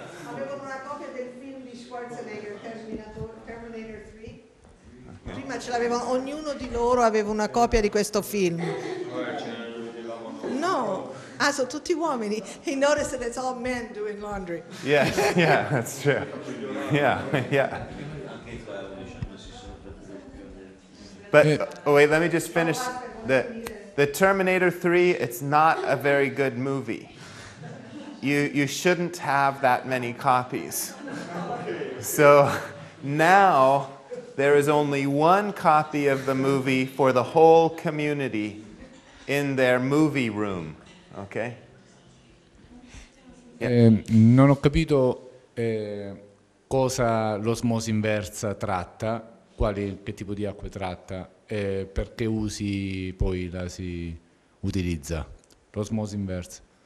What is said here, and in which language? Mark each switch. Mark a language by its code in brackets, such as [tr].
[it] Avevo una copia del film di Schwarzenegger Terminator 3. Prima ce l'aveva ognuno di loro aveva una copia di questo film. No. Ah, so tutti uomini. [en] He noticed that it's all men doing laundry. Yeah, yeah, that's true. Yeah, yeah. But oh wait, let me just finish. The Terminator 3, it's not a very good movie. You shouldn't have that many copies. So now there is only one copy of the movie for the whole community in their movie room. Ok. Yeah. [it] Non ho capito cosa l'osmosi inversa tratta, che tipo di acque tratta, perché usi poi la si utilizza l'osmosi inversa.